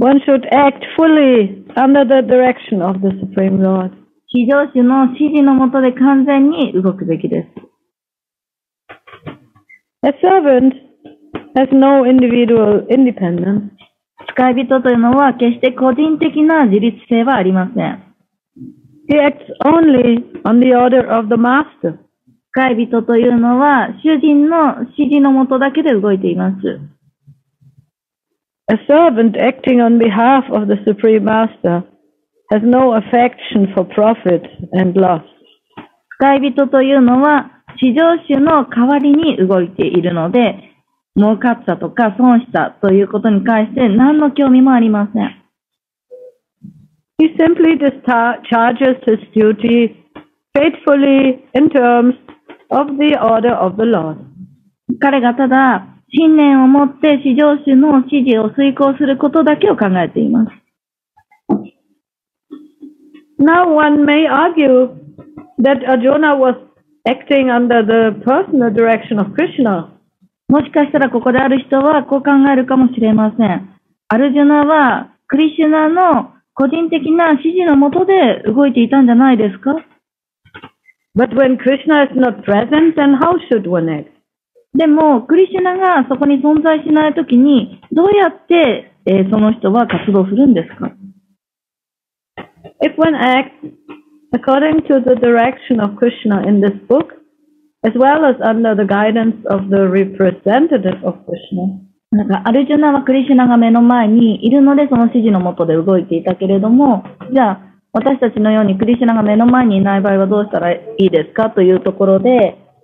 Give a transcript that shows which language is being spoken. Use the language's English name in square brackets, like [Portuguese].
[English] one should act fully under the direction of the Supreme Lord. [Japanese] 至上主の指示のもとで完全に動くべきです。 [English] A servant has no individual independence. [Japanese] 使い人というのは決して個人的な自立性はありません。 [English] He acts only on the order of the master. [Japanese] 使い人というのは主人の指示のもとだけで動いています。 [English] A servant acting on behalf of the supreme master has no affection for profit and loss. [Japanese] 使い人というのは至上主の代わりに動いているので、儲かったとか損したということに関して何の興味もありません。 [English] He simply discharges his duty faithfully in terms of the order of the Lord. [Japanese] 彼がただ信念を持って至上主の指示を遂行することだけを考えています。 [English] Now one may argue that Arjuna was acting under the personal direction of Krishna. [Japanese] もしかしたらここである人はこう考えるかもしれません。アルジュナはクリシュナの個人的な指示のもとで動いていたんじゃないですか? [English] But when Krishna is not present, then how should one act? [Japanese] でもクリシュナがそこに存在しないときにどうやって、その人は活動するんですか。 [English] If one acts according to the direction of Krishna in this book, as well as under the guidance of the representative of Krishna, [Japanese] なんかアルジュナはクリシュナが目の前にいるのでその指示のもとで動いていたけれども、じゃあ私たちのようにクリシュナが目の前にいない場合はどうしたらいいですかというところで、